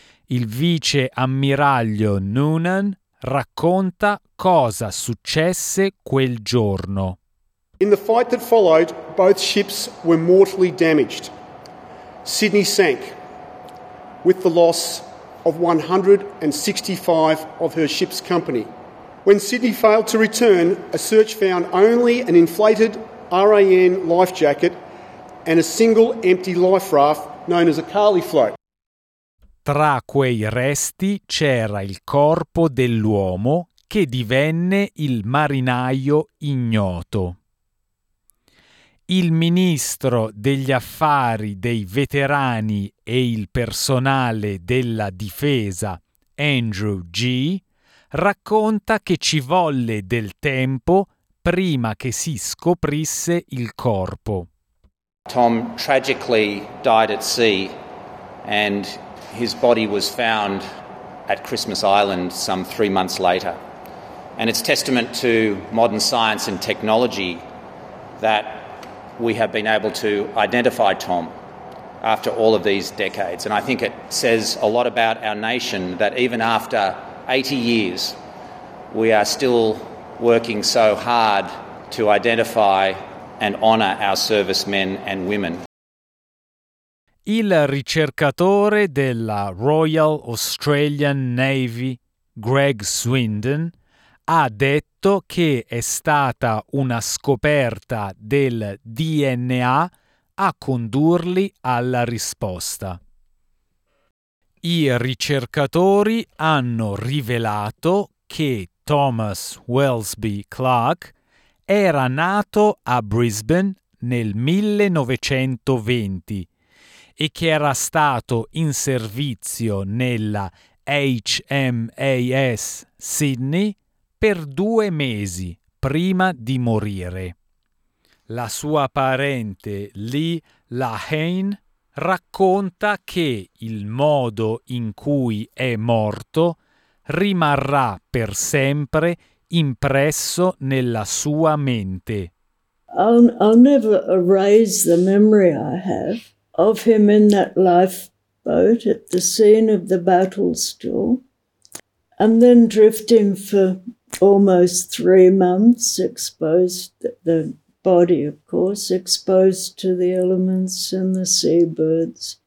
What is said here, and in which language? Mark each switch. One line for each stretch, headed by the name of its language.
Italian: Il vice ammiraglio Noonan racconta cosa successe quel giorno.
English: In the fight that followed, both ships were mortally damaged. Sydney sank with the loss of 165 of her ship's company. When Sydney failed to return, a search found only an inflated RAN life jacket and a single empty life raft known as a Carly float.
Italian: Tra quei resti c'era il corpo dell'uomo che divenne il marinaio ignoto. Il ministro degli affari dei veterani e il personale della difesa, Andrew Gee, racconta che ci volle del tempo prima che si scoprisse il corpo.
English: Tom tragically died at sea, and his body was found at Christmas Island some 3 months later. And it's testament to modern science and technology that we have been able to identify Tom after all of these decades. And I think it says a lot about our nation that even after 80 years, we are still working so hard to identify and honour our servicemen and women.
Italian: Il ricercatore della Royal Australian Navy, Greg Swindon, ha detto che è stata una scoperta del DNA a condurli alla risposta. I ricercatori hanno rivelato che Thomas Welsby Clark era nato a Brisbane nel 1920 e che era stato in servizio nella HMAS Sydney per 2 mesi prima di morire. La sua parente Lee Lahane racconta che il modo in cui è morto rimarrà per sempre impresso nella sua mente.
English: I'll never erase the memory I have of him in that lifeboat at the scene of the battle still, and then drifting for almost 3 months exposed, the body of course, exposed to the elements and the seabirds.